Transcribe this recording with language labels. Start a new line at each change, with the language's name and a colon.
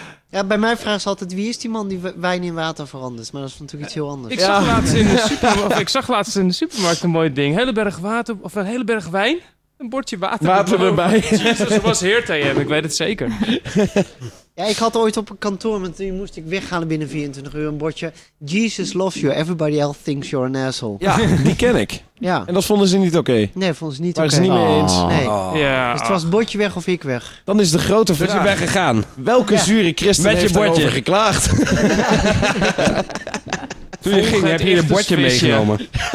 Dutch: Ja, bij mij vragen ze altijd, wie is die man die wijn in water verandert? Maar dat is natuurlijk iets heel anders. Ik zag laatst in de supermarkt, een mooi ding. Hele berg water, of een hele berg wijn. Een bordje water. Water erbij. Jezus, was heertij, ik weet het zeker. Ja, ik had ooit op een kantoor, want toen moest ik weghalen binnen 24 uur, een bordje.
English: Jesus loves you, everybody else thinks you're an asshole.
Dutch: Ja, die ken ik. Ja. En dat vonden ze niet oké. Okay. Nee, vonden ze niet oké. Waren ze niet mee eens. Nee. Ja. Dus het was bordje weg of ik weg. Dan is de grote vraag. Dus je bent gegaan. Welke zure christen met je bordje erover geklaagd? Toen je ging, heb je een bordje meegenomen.